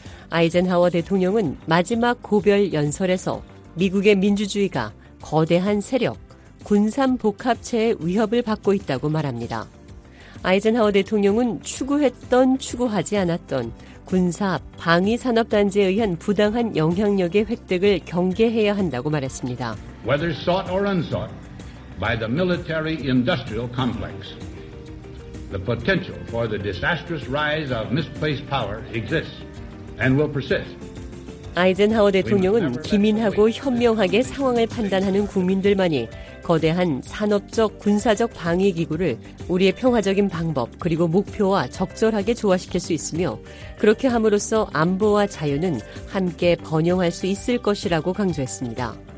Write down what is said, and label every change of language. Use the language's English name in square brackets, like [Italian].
[Korean] 아이젠하워 대통령은 마지막 고별 연설에서 미국의 민주주의가 거대한 세력, 군산복합체의 위협을 받고 있다고 말합니다. 아이젠하워 대통령은 추구했던 추구하지 않았던 군사, 방위산업단지에 의한 부당한 영향력의 획득을 경계해야 한다고 말했습니다. [English] Whether sought or unsought by the military-industrial complex, the potential for the disastrous rise of misplaced power exists and will persist. [Korean] 아이젠하워 대통령은 기민하고 현명하게 상황을 판단하는 국민들만이 거대한 산업적 군사적 방위기구를 우리의 평화적인 방법 그리고 목표와 적절하게 조화시킬 수 있으며 그렇게 함으로써 안보와 자유는 함께 번영할 수 있을 것이라고 강조했습니다.